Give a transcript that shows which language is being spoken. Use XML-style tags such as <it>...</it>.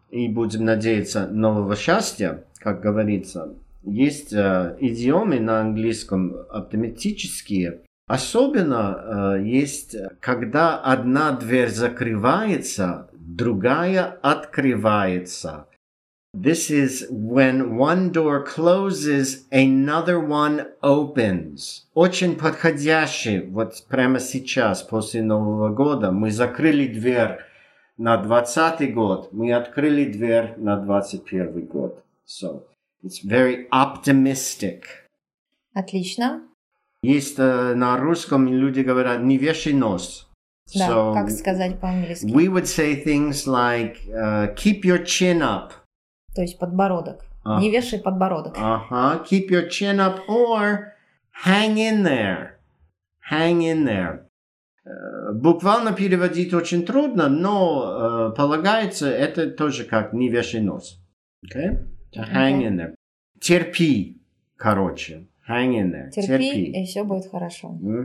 <ru>и будем надеяться нового счастья, как говорится, есть идиомы на английском оптимистические. Особенно есть, когда одна дверь закрывается, другая открывается.</ru> <en>This is when one door closes, another one opens.</en> <ru>Очень подходящий вот прямо сейчас, после Нового года. Мы закрыли дверь на 20-й год, мы открыли дверь на 21-й год.</ru> <en>So, it's very optimistic.</en> <ru>Отлично. Есть на русском, люди говорят, не вешай нос. Да, so, как сказать по-английски?</ru> <en>We would say things like, keep your chin up.</en> <ru>То есть подбородок. Не вешай подбородок.</ru> <en>Ага, keep your chin up or hang in there. Hang in there.</en> <ru>Буквально переводить очень трудно, но полагается, это тоже как не вешай нос.</ru> <en>Okay? To hang in there.</en> <ru>Терпи, короче.</ru> <en>Hang in there.</en> <ru>Терпи. И все будет хорошо.</ru>